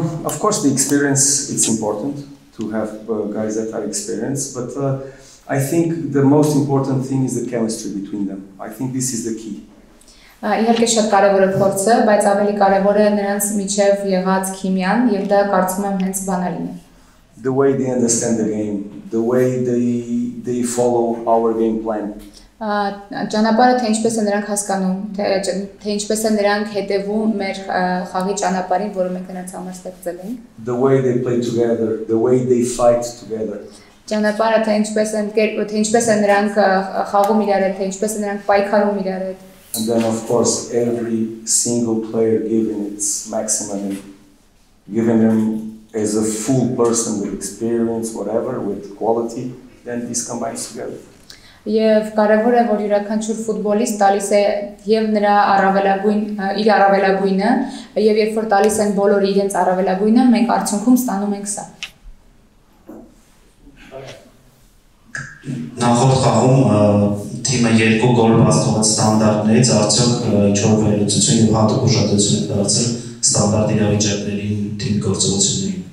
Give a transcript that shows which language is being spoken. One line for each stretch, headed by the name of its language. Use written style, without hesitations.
English: Of course, the experience it's important to have guys that are experienced, but I think the most important thing is the chemistry between them. I think this is the key.
Armenian: Իհարկե շատ կարևոր է փորձը, բայց ավելի կարևոր է նրանց միջև եղած քիմիան, եւ դա կարծում եմ հենց բանը լինի.
English: The way they understand the game, the way they follow our game plan.
Armenian: Ճանապարհը թե ինչպես են նրանք հասկանում, թե ինչպես են նրանք հետևում մեր խաղի ճանապարհին, որը մենք նրանց համար ստեղծել ենք.
English: The way they play together, the way they fight together.
Armenian: Ճանապարհը թե ինչպես են կերպ, թե ինչպես են նրանք խաղում իրար հետ, թե ինչպես են նրանք պայքարում իրար հետ.
English: And then of course every single player giving its maximum, giving them as a full person with experience, whatever, with quality, then this combines together.
Armenian: Եվ կարևոր է, որ յուրաքանչյուր ֆուտբոլիստ տալիս է եւ նրա առավելագույն իր առավելագույնը, եւ երբ որ տալիս են բոլորը իրենց առավելագույնը, մենք արդյունքում ստանում ենք սա։ Նախորդ խաղում թիմը 2 գոլ բացած ստանդարտներից, արդյոք ինչ-որ վերլուծություն եւ հատուկ ուշադրություն է դարձել ստանդարտ իրավիճակների թիմ գործողությունների։